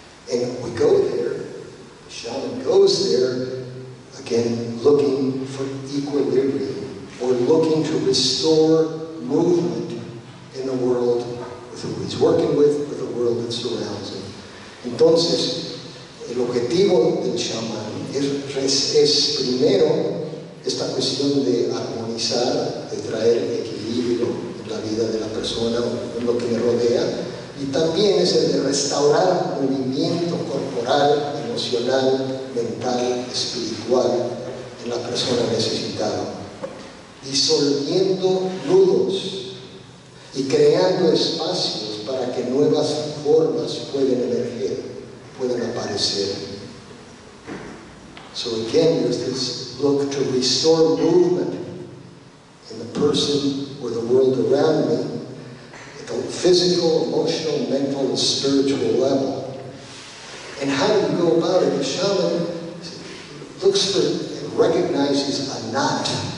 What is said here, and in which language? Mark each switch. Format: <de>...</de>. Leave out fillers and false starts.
<en>And we go there, the shaman goes there, again, looking for equilibrium, or looking to restore movement in the world with who he's working with, or the world that surrounds him.</en> <es>Entonces, el objetivo del shaman es primero esta cuestión de armonizar, de traer equilibrio en la vida de la persona, en lo que le rodea, y también es el de restaurar movimiento corporal, emocional, mental, espiritual en la persona necesitada, disolviendo nudos y creando espacios para que nuevas formas puedan emerger, puedan aparecer.</es> <en>So again, there's this look to restore movement in the person or the world around me, at a physical, emotional, mental, and spiritual level. And how do you go about it? The shaman looks for and recognizes a knot.</en>